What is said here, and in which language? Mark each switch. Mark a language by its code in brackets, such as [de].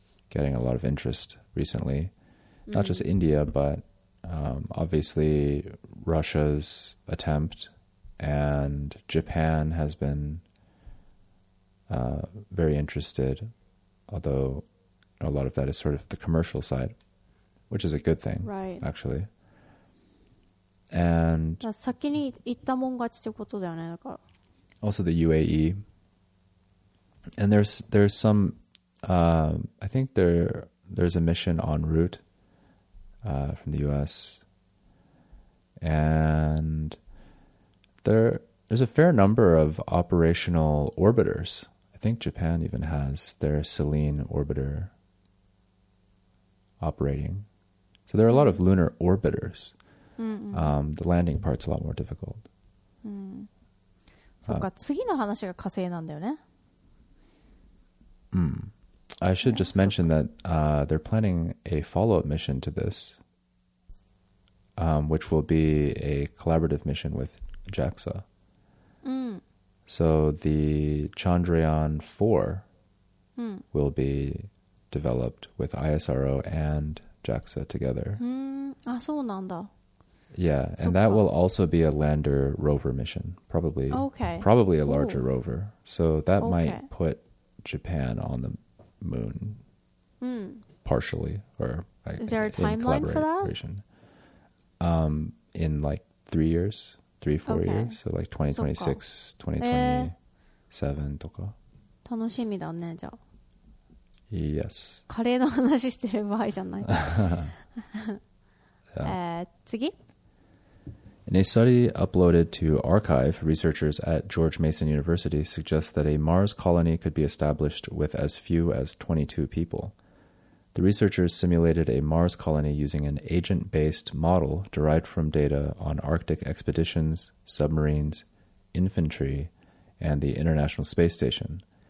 [en] Getting a lot of interest recently, not just India, but obviously Russia's attempt, and Japan has been very interested, although a lot of that is sort of the commercial side, which is a good thing, right? Actually, and [ja] 先に行ったもん勝ちってことだよね。だから [en] also the UAE. And there's some, I think there's a mission en route from the U.S. And there's a fair number of operational orbiters. I think Japan even has their Selene orbiter operating. So there are a lot of lunar orbiters. The landing part's a lot more difficult. [ja] So っか、次の話が火星なんだよね。 [en] I should just mention that they're planning a follow-up mission to this, which will be a collaborative mission with JAXA. So the Chandrayaan 4 will be developed with ISRO and JAXA together. [ja] Ah, そうなんだ. [en] Yeah, and that will also be a lander rover mission, probably. Okay. Probably a larger rover. So that might put Japan on the moon partially, or is there a timeline for that? In like 3 years, 3-4 years, so like 2026, 2027 とか。 [ja] 楽しみだね、じゃあ。 [en] Yes. [ja] カレーの話してる場合じゃない。次。 [en] In a study uploaded to Archive, researchers at George Mason University suggest that a Mars colony could be established with as few as 22 people. The researchers simulated a Mars colony using an agent-based model derived from data on Arctic expeditions, submarines, infantry, and the International Space Station.